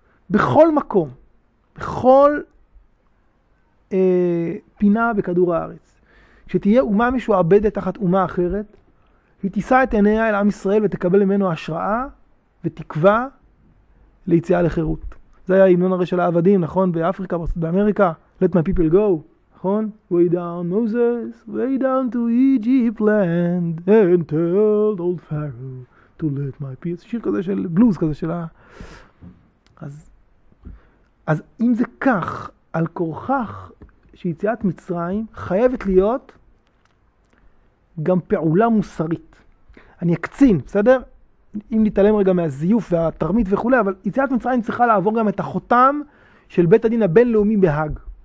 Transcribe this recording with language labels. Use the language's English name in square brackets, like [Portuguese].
[Hebrew] בכל מקום, בכל פינה בכדור הארץ. שתהיה אומה משועבדת תחת אומה אחרת, היא תישא את עיניה אל עם ישראל ותקבל ממנו השראה ותקווה ליציאה לחירות. זה היה המנון הרי של העבדים, נכון? באפריקה, באמריקה. [English] Let my people go, [Hebrew] נכון? [English] Way down Moses, way down to Egypt land and tell old Pharaoh to let my people. [Hebrew] שיר כזה של בלוז כזה של ה... אז אם זה כך, על כורכך שיציאת מצרים חייבת להיות גם פעולה מוסרית. אני אקצין, בסדר? אם נתעלם רגע מהזיוף והתרמית וכו', אבל יציאת מצרים צריכה לעבור גם את החותם של בית הדין הבינלאומי בהאג.